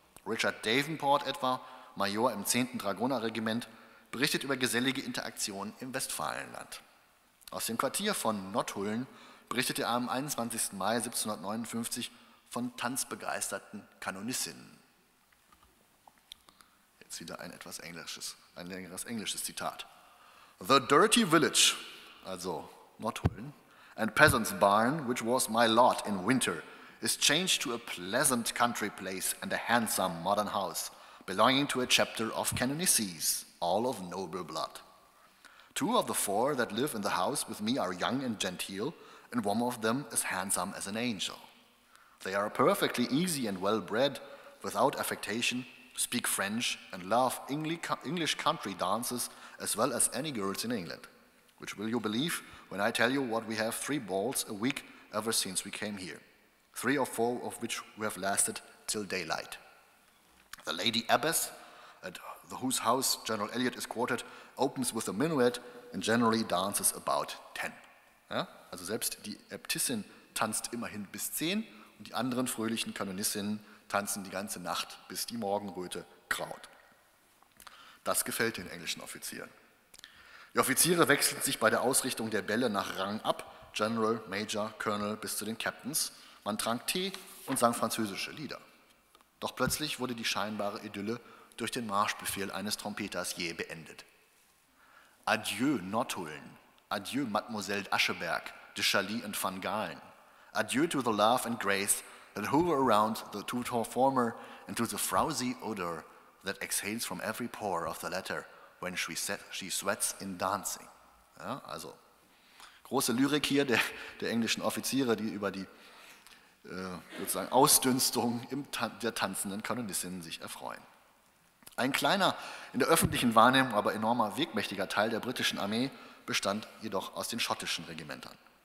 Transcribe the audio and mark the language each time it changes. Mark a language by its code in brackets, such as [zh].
[de] Richard Davenport etwa, Major im 10. Dragonerregiment, berichtet über gesellige Interaktionen im Westfalenland. Aus dem Quartier von Notthullen berichtet er am 21. Mai 1759 von tanzbegeisterten Kanonissinnen. jetzt wieder ein etwas englisches, ein längeres englisches Zitat. [en] The dirty village, also Nordhulen, and peasant's barn, which was my lot in winter, is changed to a pleasant country place and a handsome modern house, belonging to a chapter of canonicees, all of noble blood. Two of the four that live in the house with me are young and genteel, and one of them is handsome as an angel. They are perfectly easy and well-bred, without affectation, speak French, and love English country dances as well as any girls in England. Which will you believe when I tell you what we have three balls a week ever since we came here, three or four of which we have lasted till daylight. The Lady Abbess, at whose house General Elliot is quartered, opens with a minuet and generally dances about 10. [de] Ja? Also selbst die Äbtissin tanzt immerhin bis 10 und die anderen fröhlichen Kanonissinnen tanzen die ganze Nacht, bis die Morgenröte graut. Das gefällt den englischen Offizieren. Die Offiziere wechseln sich bei der Ausrichtung der Bälle nach Rang ab, General, Major, Colonel bis zu den Captains. Man trank Tee und sang französische Lieder. Doch plötzlich wurde die scheinbare Idylle durch den Marschbefehl eines Trompeters jäh beendet. [fr] Adieu, Nordhulen. Adieu, Mademoiselle Ascheberg, de Chalis und Van Galen. [en] Adieu to the love and grace that hover around the two tall former and to the frowsy odor that exhales from every pore of the latter when she sweats in dancing. [de] Ja, also, große Lyrik hier der englischen Offiziere, die über die sozusagen Ausdünstung der tanzenden Kanonissinnen sich erfreuen. Ein kleiner, in der öffentlichen Wahrnehmung aber enormer, wirkmächtiger Teil der britischen Armee bestand jedoch aus den schottischen Regimentern.